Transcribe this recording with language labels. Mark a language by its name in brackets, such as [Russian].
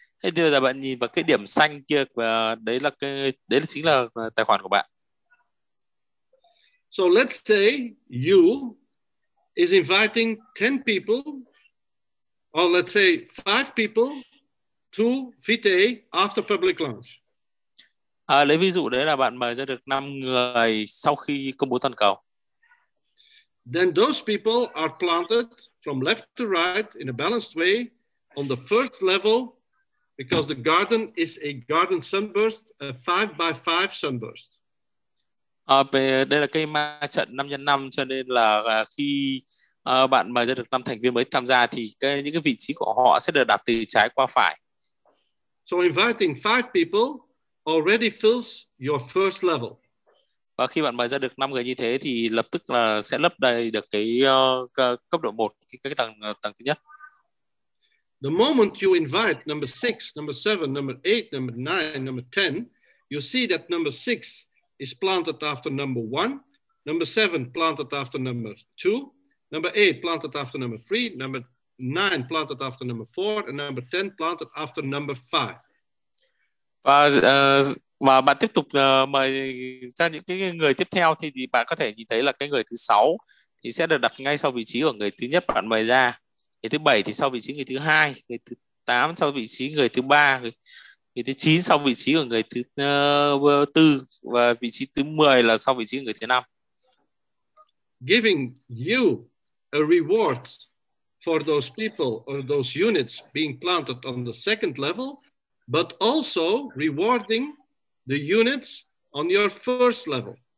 [Vietnamese] Thế thì bây giờ bạn nhìn vào cái điểm xanh kia đấy chính là tài khoản của bạn. [English] So let's say you is inviting 10 people or let's say 5 people to Vitae after public launch. [Vietnamese] Lấy ví dụ đấy là bạn mời ra được 5 người sau khi công bố toàn cầu. [English] Then those people are planted from left to right in a balanced way on the first level because the garden is a garden sunburst, a 5x5 sunburst. [Vietnamese] Đây là cây ma trận 5x5 cho nên là khi bạn mời ra được 5 thành viên mới tham gia thì những cái vị trí của họ sẽ được đặt từ trái qua phải. [English] So inviting 5 people already fills your first level. [Vietnamese] Và khi bạn mời ra được 5 người như thế thì lập tức là sẽ lấp đầy được cái cấp độ 1, cái tầng thứ nhất. [English] The moment you invite number 6, number 7, number 8, number 9, number 10, you see that number 6 is planted after number 1 Number 7, planted after number 2. Number 8, planted after number 3. Number 9, planted after number 4. And number 10, planted after number 5. [Vietnamese] Và bạn tiếp tục mời ra những cái người tiếp theo thì bạn có thể nhìn thấy là cái người thứ 6 thì sẽ được đặt ngay sau vị trí của người thứ nhất bạn mời ra. Người thứ 7 thì sau vị trí người thứ 2, người thứ 8 sau vị trí người thứ 3, người thứ 9 sau vị trí của người thứ 4 và vị trí thứ 10 là sau vị trí người thứ 5. [English] Giving you a reward for those people or those units being planted on the second level, but also rewarding the units on your first level.